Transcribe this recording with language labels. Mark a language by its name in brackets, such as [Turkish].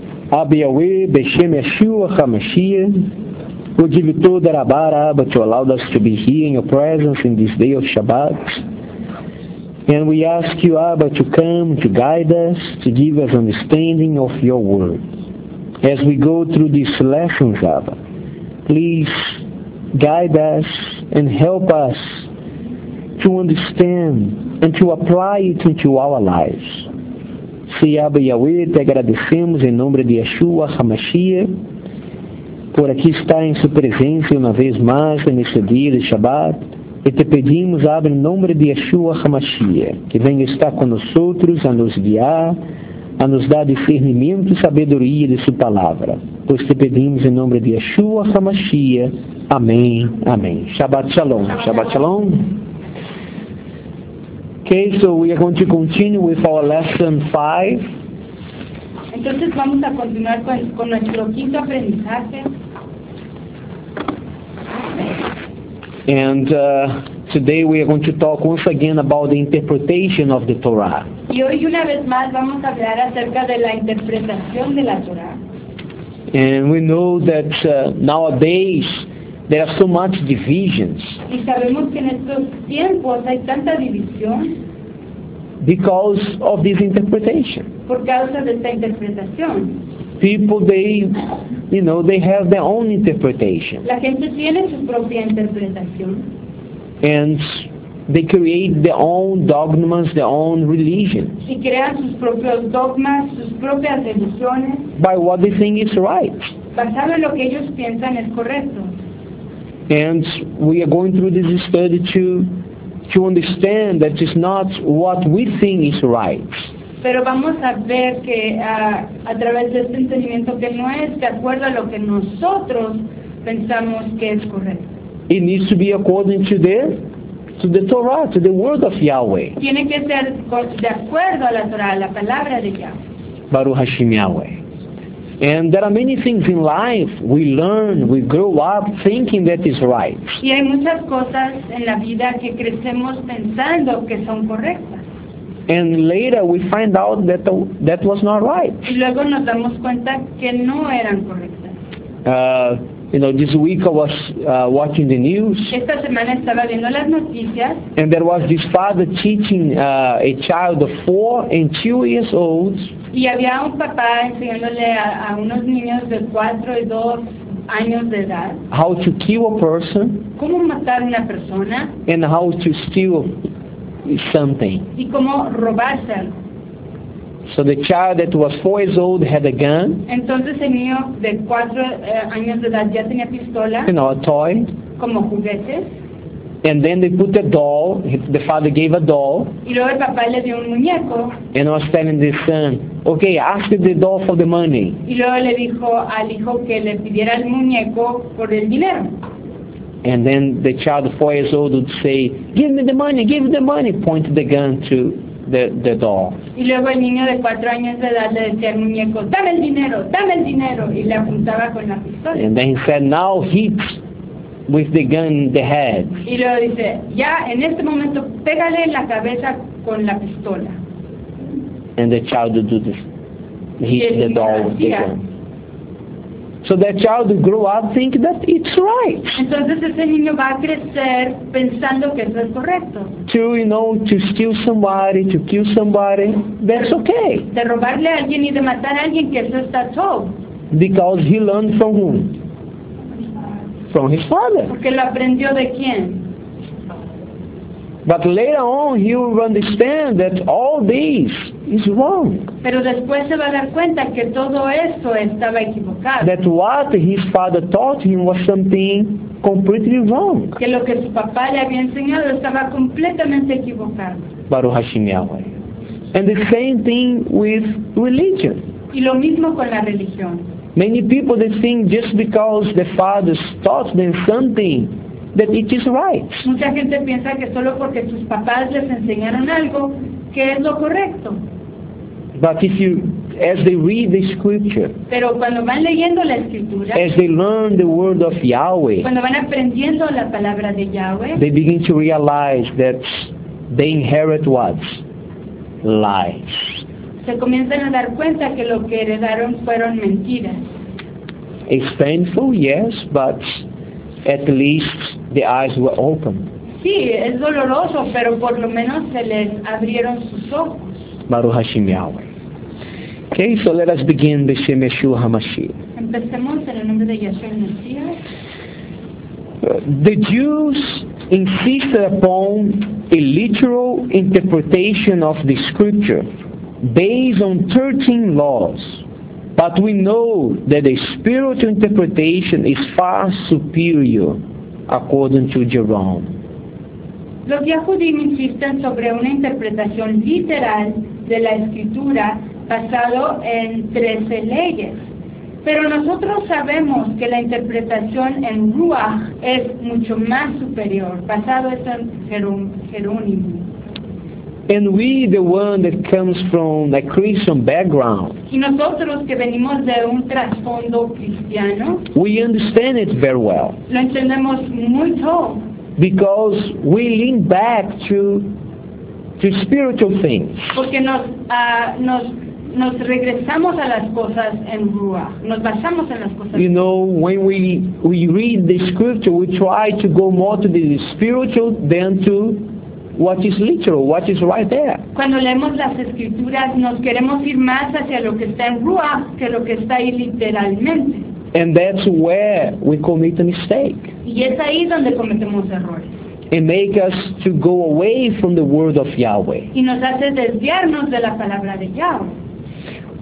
[English] אביהוי בשם ישוע חמשיה, ודיבתו דרבה רבה תולדס to be here in your presence in this day of Shabbat. And we ask you, Abba, to come, to guide us, to give us understanding of your word. As we go through these lessons, Abba, please guide us and help us to understand and to apply it into our lives. [Portuguese] Se Abba Yahweh, te agradecemos em nome de Yeshua HaMashiach, por aqui estar em sua presença uma vez mais neste dia de Shabbat. E te pedimos, Abba, em nome de Yeshua HaMashiach, que venha estar conosco, a nos guiar, a nos dar discernimento e sabedoria de sua palavra. Pois te pedimos em nome de Yeshua HaMashiach. Amém. Amém. [Hebrew] Shabbat Shalom. Shabbat Shalom. [English] Okay, so we are going to continue with our lesson 5. [Spanish] Entonces vamos a continuar con nuestro quinto aprendizaje. [English] And today we are going to talk once again about the interpretation of the Torah. [Spanish] Y hoy una vez más vamos a hablar acerca de la interpretación de la Torah. [English] And we know that nowadays there are so much divisions. [Spanish] Y sabemos que en estos tiempos hay tanta división. [English] Because of this interpretation. [Spanish] Por causa de esta interpretación. [English] People, they have their own interpretation. [Spanish] La gente tiene su propia interpretación. [English] And they create their own dogmas, their own religions. [Spanish] Y crean sus propios dogmas, sus propias religiones. [English] By what they think is right. [Spanish] Basado en lo que ellos piensan es correcto. [English] And we are going through this study to understand that it's not what we think is right. [Spanish] Pero vamos a ver que a través de este entendimiento que no es de acuerdo a lo que nosotros pensamos que es correcto. [English] It needs to be according to the Torah, to the word of Yahweh. [Spanish] Tiene que ser de acuerdo a la Torah, a la palabra de Yahweh. [Hebrew] Baruch Hashem Yahweh. [English] And there are many things in life we learn, we grow up thinking that is right. [Spanish] Y hay muchas cosas en la vida que crecemos pensando que son correctas. [English] And later we find out that that was not right. [Spanish] Y luego nos damos cuenta que no eran correctas. [English] This week I was watching the news. [Spanish] Esta semana estaba viendo las noticias. [English] And there was this father teaching a child of 4 and 2 years old. [Spanish] Y había un papá enseñándole a unos niños de 4 y 2 años de edad. [English] How to kill a person. [Spanish] Cómo matar una persona. [English] And how to steal something. [Spanish] Y cómo robarse algo. [English] So the child that was 4 years old had a gun. [Spanish] Entonces el niño de 4 años de edad ya tenía pistola. [English] You know, a toy. [Spanish] Como juguete. [English] And then they put a doll. The father gave a doll. [Spanish] Y luego el papá le dio un muñeco. [English] And was telling the son, okay, ask the doll for the money. [Spanish] Y luego le dijo al hijo que le pidiera el muñeco por el dinero. [English] And then the child, 4 years old, would say, give me the money, give me the money. Point the gun to the doll. [Spanish] Y luego el niño de 4 años de edad le decía al muñeco, dame el dinero, dame el dinero. Y le apuntaba con la pistola. [English] And then he said, now hit with the gun in the head. [Spanish] Y luego dice, ya en este momento pégale en la cabeza con la pistola. [English] And the child would do this. Hit the doll with the gun. So that child will grow up thinking that it's right. [Spanish] Entonces ese niño va a crecer pensando que eso es correcto. [English] To steal somebody, to kill somebody, that's okay. [Spanish] De robarle a alguien y de matar a alguien, que eso está todo. [English] Because he learned from whom? From his father. [Spanish] Porque lo aprendió de quién. [English] But later on he will understand that all this is wrong. [Spanish] Pero después se va a dar cuenta que todo esto estaba equivocado. [English] That what his father taught him was something completely wrong. [Spanish] Que lo que su papá le había enseñado estaba completamente equivocado. [Hebrew] Baruch Hashem Yahweh. [English] And the same thing with religion. [Spanish] Y lo mismo con la religión. [English] Many people they think just because the fathers taught them something that it is right. [Spanish] Mucha gente piensa que solo porque sus papás les enseñaron algo que es lo correcto. [English] But if you, as they read the scripture, [Spanish] pero cuando van leyendo la escritura, [English] as they learn the word of Yahweh, [Spanish] cuando van aprendiendo la palabra de Yahweh, [English] they begin to realize that they inherit what? Lies. [Spanish] se comienzan a dar cuenta que lo que heredaron fueron mentiras. [English] It's painful, yes, but at least the eyes were open. [Spanish] Sí, es doloroso, pero por lo menos se les abrieron sus ojos. [Hebrew] Baruch Hashem Yahweh. [English] Okay, so let us begin the Shem Yeshua HaMashiach. [Spanish] Empecemos en el nombre de Yeshua HaMashiach. [English] The Jews insisted upon a literal interpretation of the scripture based on 13 laws. But we know that the spiritual interpretation is far superior, according to Jerome. [Spanish] Los judíos insisten sobre una interpretación literal de la escritura basado en 13 leyes. Pero nosotros sabemos que la interpretación en Ruach es mucho más superior, basado en Jerónimo. [English] And we, the one that comes from a Christian background, [Spanish] y nosotros que venimos de un trasfondo cristiano, [English] we understand it very well. [Spanish] Lo entendemos mucho. [English] Because we lean back to spiritual things. [Spanish] Porque nos regresamos a las cosas en Ruach. Nos basamos en las cosas. [English] You know, when we read the scripture, we try to go more to the spiritual than to what is literal, what is right there. [Spanish] Cuando leemos las escrituras, nos queremos ir más hacia lo que está en Ruach que lo que está ahí literalmente. [English] And that's where we commit a mistake. [Spanish] Y es ahí donde cometemos errores. [English] It makes us to go away from the word of Yahweh. [Spanish] Y nos hace desviarnos de la palabra de Yahweh.